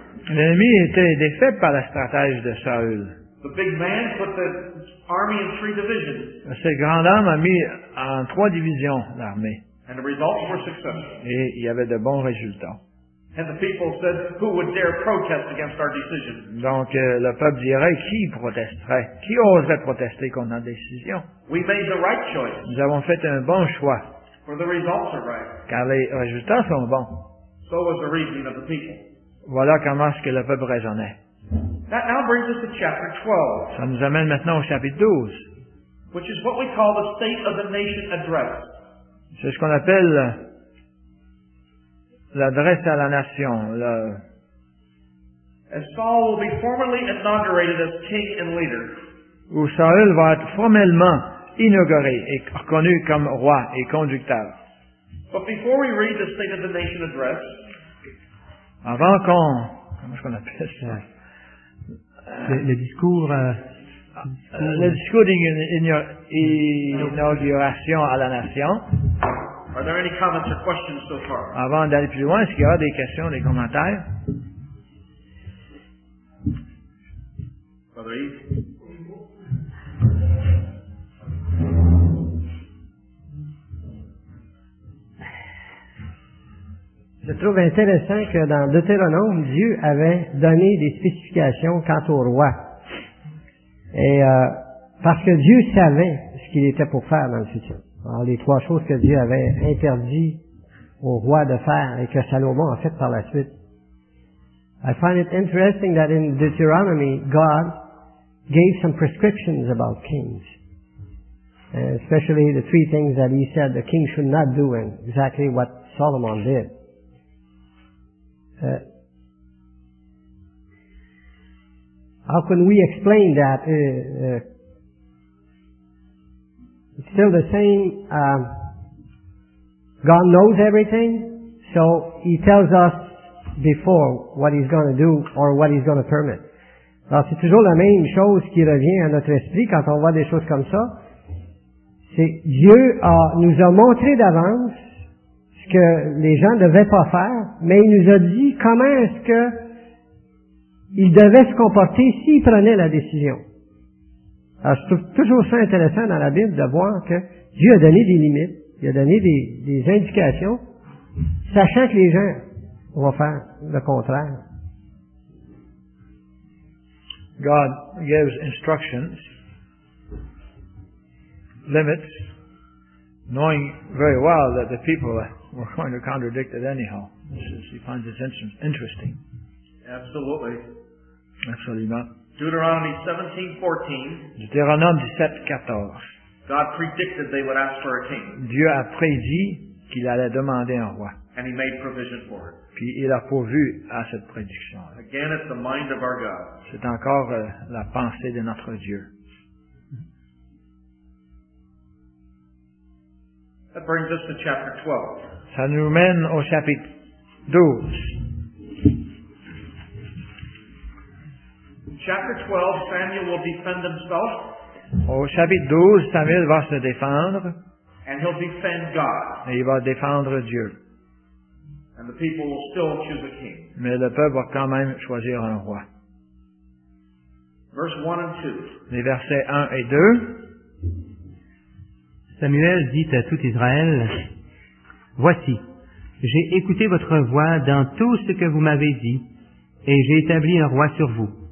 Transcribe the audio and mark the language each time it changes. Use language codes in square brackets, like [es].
[fr] L'ennemi était défait par la stratégie de Saül. [en] The big man put the army in three divisions. [fr] Ce grand homme a mis en trois divisions l'armée. [en] And the results were successful. [fr] Et il y avait de bons résultats. [en] And the people said, who would dare protest against our decision? [fr] Donc le peuple dirait, qui protesterait? Qui oserait protester contre notre décision? [en] We made the right choice. [fr] Nous avons fait un bon choix. [en] For the results are right. [fr] Car les résultats sont bons. [en] So was the reasoning of the people. [fr] Voilà comment est-ce que le peuple raisonnait. [en] That now brings us to chapter 12. [fr] Ça nous amène maintenant au chapitre 12. [en] Which is what we call the state of the nation address. [fr] C'est ce qu'on appelle l'adresse à la nation. Le... [en] As Saul will be formally inaugurated as king and leader. [fr] Où Saül va être formellement inauguré et reconnu comme roi et conducteur. [en] But before we read the state of the nation address, [fr] avant qu'on... Comment est-ce qu'on appelle ça? Le discours d'inauguration à la nation. [en] Are there any comments or questions so far? [fr] Avant d'aller plus loin, est-ce qu'il y a des questions, des commentaires? [en] Brother Eve? [fr] Je trouve intéressant que dans Deutéronome, Dieu avait donné des spécifications quant au roi. Et parce que Dieu savait ce qu'il était pour faire dans le futur. Alors, les trois choses que Dieu avait interdit au roi de faire et que Salomon a fait par la suite. [en] I find it interesting that in Deuteronomy, God gave some prescriptions about kings. Especially the three things that he said the king should not do and exactly what Solomon did. How can we explain that? It's still the same. God knows everything, so He tells us before what He's going to do or what He's going to permit. [fr] Alors, c'est toujours la même chose qui revient à notre esprit quand on voit des choses comme ça. C'est Dieu nous a montré d'avance ce que les gens ne devaient pas faire, mais il nous a dit comment est-ce que il devait se comporter s'il prenait la décision. Alors, je trouve toujours ça intéressant dans la Bible de voir que Dieu a donné des limites, il a donné des indications, sachant que les gens vont faire le contraire. [en] God gives instructions, limits, knowing very well that the people we're going to contradict it anyhow. He finds this interesting. Absolutely. [fr] Deutéronome 17:14. [en] God predicted they would ask for a king. [fr] Dieu a prédit qu'il allait demander un roi. [en] And he made provision for it. [fr] Puis il a pourvu à cette prédiction. [en] Again, it's the mind of our God. [fr] C'est encore la pensée de notre Dieu. [en] That brings us to chapter 12. [fr] Ça nous mène au chapitre 12. [en] Chapter 12, Samuel will defend himself. [fr] Au chapitre 12, Samuel va se défendre. [en] And he'll defend God. [fr] Et il va défendre Dieu. [en] And the people will still choose a king. [fr] Mais le peuple va quand même choisir un roi. [en] Verse 1 and 2. [fr] Les versets 1 et 2. Samuel dit à tout Israël, « Voici, j'ai écouté votre voix dans tout ce que vous m'avez dit, et j'ai établi un roi sur vous.